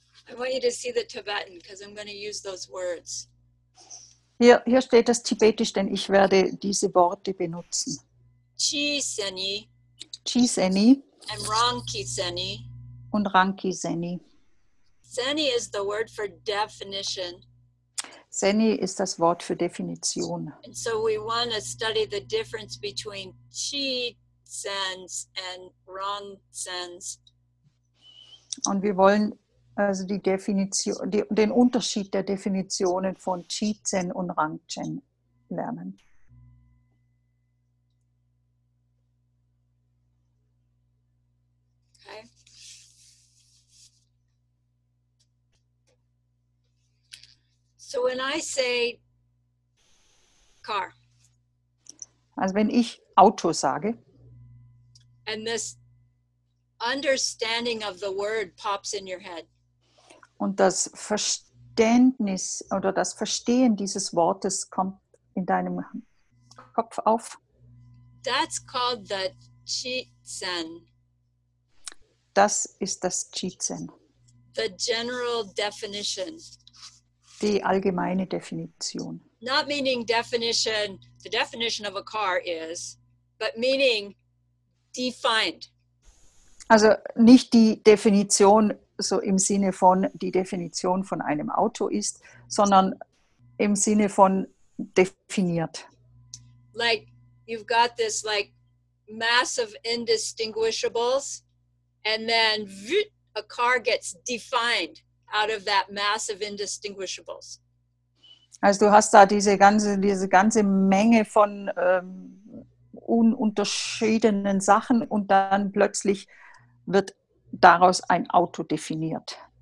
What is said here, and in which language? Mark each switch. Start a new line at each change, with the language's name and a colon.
English: I want you to see the Tibetan, because I'm going to use those words.
German: Hier steht das Tibetisch, denn ich werde diese Worte benutzen.
Tibetan: Chi seni. Chi seni.
English: And Rangki seni.
German: Und Rangki seni.
English: Seni is the word for definition.
German: Seni ist das Wort für Definition.
English: And so we want to study the difference between qi sense and ren sense.
German: Und wir wollen also die Definition, die, den Unterschied der Definitionen von qi zen und ren zen lernen.
English: So when I say car,
German: also wenn ich Auto sage,
English: and this understanding of the word pops in your head,
German: und das Verständnis oder das Verstehen dieses Wortes kommt in deinem Kopf auf,
English: that's called the Qizhen.
German: Das ist das Qizhen.
English: The general definition.
German: Die allgemeine Definition.
English: Not meaning definition, the definition of a car is, but meaning defined.
German: Also nicht die Definition so im Sinne von die Definition von einem Auto ist, sondern im Sinne von definiert.
English: Like you've got this like mass of indistinguishables and then a car gets defined. Out of that mass of indistinguishables.
German: Also du hast da diese ganze Menge von ununterschiedenen Sachen und dann plötzlich wird daraus ein Auto definiert.